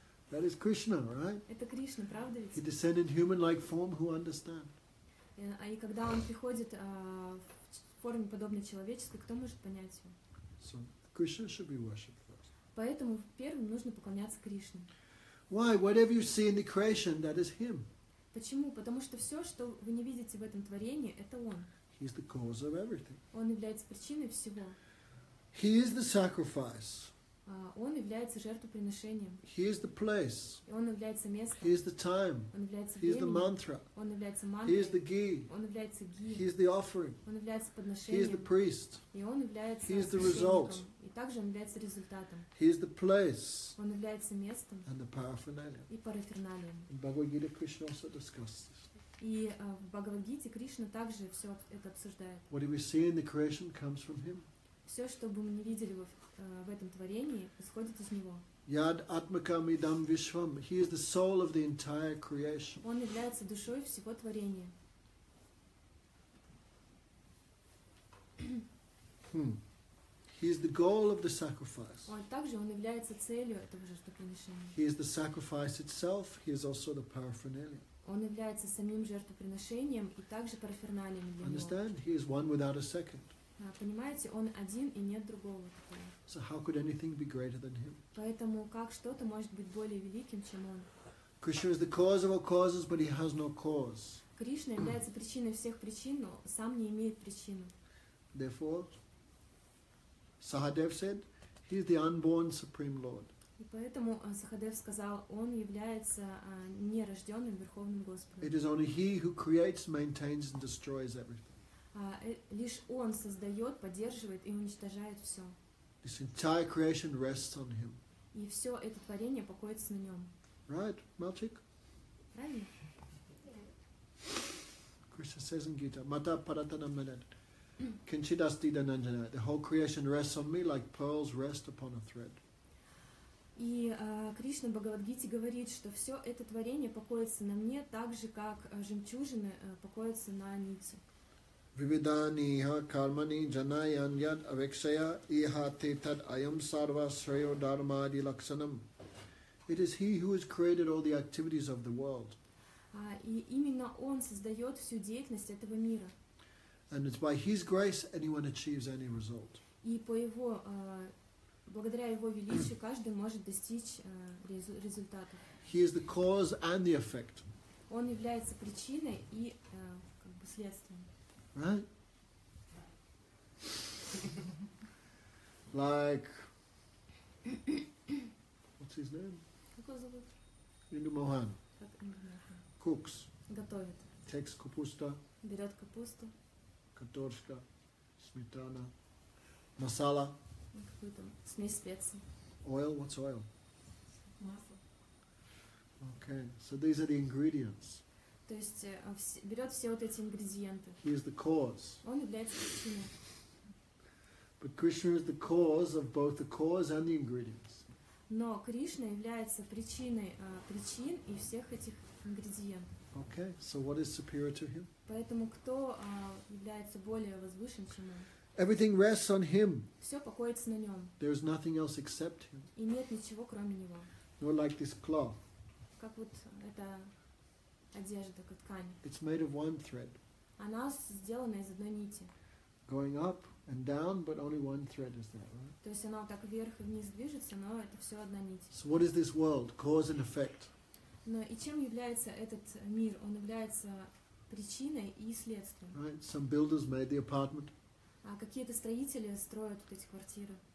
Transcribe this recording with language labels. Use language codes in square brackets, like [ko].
[en] That is Krishna, right? [ru] Это Кришна, правда ведь? [en] He descended in human-like form. Who understand? [ru] И когда он приходит в форме подобной человеческой, кто может понять его? [en] So Krishna should be worshipped first. [ru] Поэтому первым нужно поклоняться Кришне. [en] Why? Whatever you see in the creation, that is Him. [ru] Почему? Потому что все, что вы не видите в этом творении, это Он. [en] He is the cause of everything. [ru] Он является причиной всего. [en] He is the sacrifice. [ru] Он является жертвоприношением. [en] He is the place. [ru] Он является местом. [en] He is the time. [ru] Он является временем. [en] He is the mantra. [ru] Он является мантрой. [en] He is the ghee. [ru] Он является ghee. [en] He is the offering. [ru] Он является подношением. [en] He is the priest. [ru] И он является. [en] He is the result. [ru] И также он является результатом. [en] He is the place. [ru] Он является местом. [en] And the paraphernalia. [ru] И параферналия. [en] In Bhagavad Gita, Krishna also discusses this. [ru] И в Bhagavad Gita Кришна также все это обсуждает. [en] What we see in the creation comes from Him. [ru] Все, что бы мы не видели в этом творении, исходит из него. [sa] Яд атмакам идам вишвам. [en] He is the soul of the entire creation. [ru] Он является душой всего творения. [en] He is the goal of the sacrifice. [ru] Он также он является целью этого жертвоприношения. [en] He is the sacrifice itself. He is also the paraphernalia. [ru] Он является самим жертвоприношением и также параферналием для него. [en] Understand? He is one without a second. [ru] Понимаете, он один и нет другого такого. [en] So how could anything be greater than him? [ru] Поэтому как что-то может быть более великим, чем он? [en] Krishna is the cause of all causes, but he has no cause. [ru] Кришна является причиной всех причин, но сам не имеет причину. [en] Therefore, Sahadev said, he is the unborn supreme lord. [ru] И поэтому Сахадев сказал, он является нерожденным верховным господом. [en] It is only he who creates, maintains, and destroys everything. [ru] Лишь Он создает, поддерживает и уничтожает все. [en] This entire creation rests on Him. [ru] И все это творение покоится на Нем. [en] Right, [ru] мальчик? Правильно? [en] Krishna says in Gita, [sa] Mata Paratanam Manat, Kinchidasti Dananjana. [en] The whole creation rests on me like pearls rest upon a thread. [ru] И Кришна в Бхагавадгите говорит, что все это творение покоится на мне так же, как жемчужины покоятся на нити. [sa] Vividani ha karmani janayan yad avekshaya iha te tad ayam sarva shreyo dharma adi lakshanam. [en] It is he who has created all the activities of the world. [ru] И именно он создает всю деятельность этого мира. [en] And it's by his grace anyone achieves any result. [ru] И по его, благодаря его величию каждый может достичь результатов. [en] He is the cause and the effect. [ru] Он является причиной и как бы следствием. [en] Right? Like, what's his name? Indu Mohan. Cooks. [ru] Готовит. [en] Takes [ru] kapusta. Берет капусту. Katorska. Smetana. Masala. Смесь специй. [en] Oil. What's oil? [ru] Масло. [en] Okay. So these are the ingredients. [ru] То есть берет все вот эти ингредиенты. [en] He is the cause. [ru] Он является причиной. [en] But Krishna is the cause of both the cause and the ingredients. [ru] Но Кришна является причиной причин и всех этих ингредиентов. [en] Okay, so what is superior to him? [ru] Поэтому кто является более возвышен, чем он? [en] Everything rests on him. [ru] Все покоится на нем. [en] There is nothing else except him. [ru] И нет ничего кроме него. [en] Nor like this cloth. [ru] Как вот это. Одежда, как ткань. [en] It's made of one thread. [ru] Она сделана из одной нити. [en] Going up and down, but only one thread is there, right? [ru] То есть она так вверх и вниз движется, но это все одна нить. [en] So what is this world? Cause and effect. [ru] Но и чем является этот мир? Он является причиной и следствием. [en] Right? Some builders made the apartment. [ru] А какие-то строители строят вот эти квартиры.